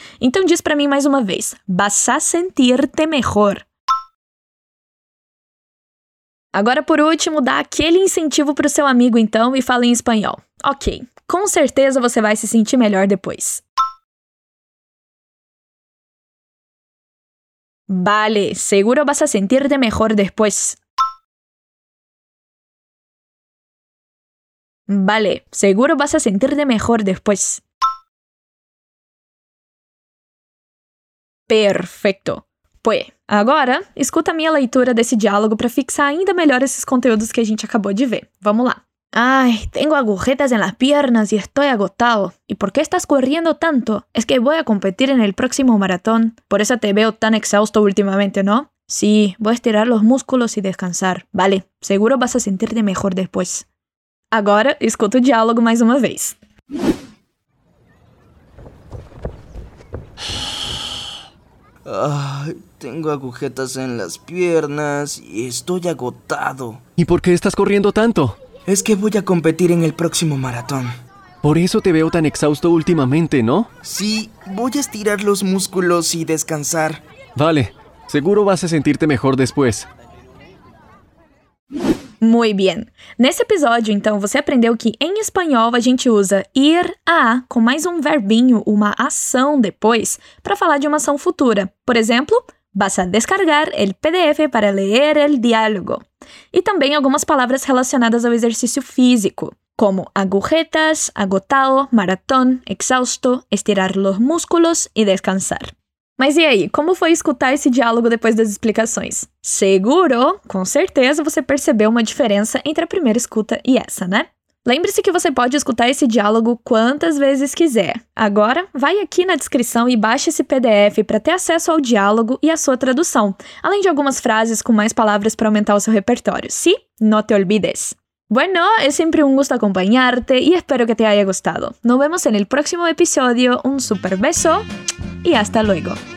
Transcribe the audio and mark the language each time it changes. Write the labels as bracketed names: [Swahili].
[Portuguese] Então diz para mim mais uma vez, [Spanish] vas a sentir-te mejor. [Portuguese] Agora, por último, dá aquele incentivo para o seu amigo, então, e fala em espanhol. Ok, com certeza você vai se sentir melhor depois. [Spanish] Vale, seguro vas a sentirte mejor después. Vale, seguro vas a sentirte mejor después. Perfecto. [Portuguese] Pues, agora, escuta a minha leitura desse diálogo para fixar ainda melhor esses conteúdos que a gente acabou de ver. Vamos lá. [Spanish] Ay, tengo agujetas en las piernas y estoy agotado. ¿Y por qué estás corriendo tanto? Es que voy a competir en el próximo maratón. Por eso te veo tan exhausto últimamente, ¿no? Sí, voy a estirar los músculos y descansar. Vale, seguro vas a sentirte mejor después. Ahora, escuta el diálogo más una vez. Ay, tengo agujetas en las piernas y estoy agotado. ¿Y por qué estás corriendo tanto? Es que voy a competir en el próximo maratón. Por eso te veo tan exhausto últimamente, ¿no? Sí, voy a estirar los músculos y descansar. Vale, seguro vas a sentirte mejor después. Muy bien. [Portuguese] Nesse episódio, então, você aprendeu que em espanhol a gente usa ir a com mais um verbinho, uma ação depois, para falar de uma ação futura. Por exemplo, [Spanish] vas a descargar el PDF para leer el diálogo. [Portuguese] E também algumas palavras relacionadas ao exercício físico, como agujetas, agotado, maratón, exhausto, [Spanish] estirar los músculos y descansar. [Portuguese] Mas e aí, como foi escutar esse diálogo depois das explicações? Seguro, com certeza, você percebeu uma diferença entre a primeira escuta e essa, né? Lembre-se que você pode escutar esse diálogo quantas vezes quiser. Agora, vai aqui na descrição e baixe esse PDF para ter acesso ao diálogo e à sua tradução, além de algumas frases com mais palavras para aumentar o seu repertório. [Spanish] Sí, no te olvides. Bueno, es siempre un gusto acompañarte y espero que te haya gustado. Nos vemos en el próximo episodio. Un super beso y hasta luego.